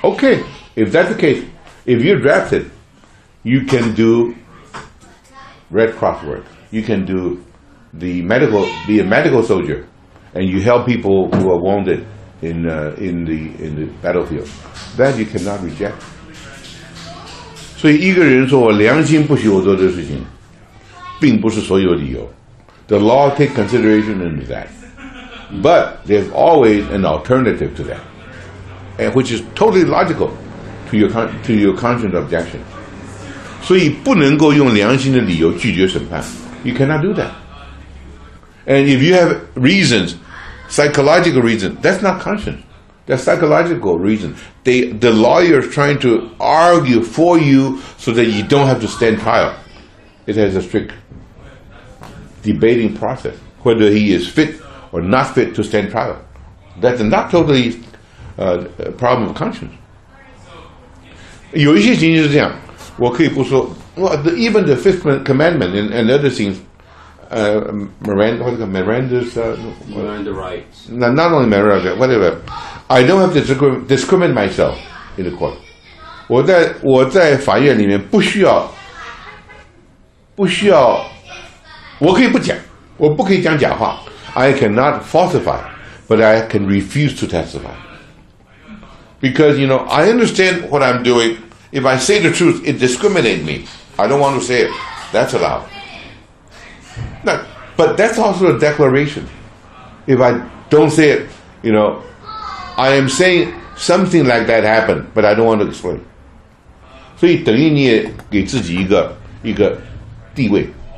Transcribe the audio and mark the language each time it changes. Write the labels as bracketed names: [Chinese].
[English] Okay, if that's the case, if you're drafted, you can do Red Cross work. You can do the medical, be a medical soldier, and you help people who are wounded in the battlefield. That you cannot reject. [Chinese] 所以一个人说我良心不许我做这事情，并不是所有理由。 [English] The law take consideration into that. But there's always an alternative to that. And which is totally logical to your conscience objection. [Chinese] 所以不能够用良心的理由拒绝审判。 [English] You cannot do that. And if you have reasons, psychological reasons, that's not conscience. That's psychological reason. The lawyer is trying to argue for you so that you don't have to stand trial. It has a strict debating process, whether he is fit or not fit to stand trial. That's not totallyproblem of conscience. [Chinese] 有一些情形是这样，我可以不说。 [English] Well, the, even the Fifth Commandment and other things, Miranda rights. Not only Miranda, whatever. I don't have to discriminate myself in the court. [Chinese] 我在法院里面不需要，我可以不讲，我不可以讲假话。 [English] I cannot falsify, but I can refuse to testify. Because, you know, I understand what I'm doing. If I say the truth, it discriminates me. I don't want to say it. That's allowed. Now, but that's also a declaration. If I don't say it, you know, I am saying something like that happened, but I don't want to explain. [Chinese] 所以等于你也给自己一个地位。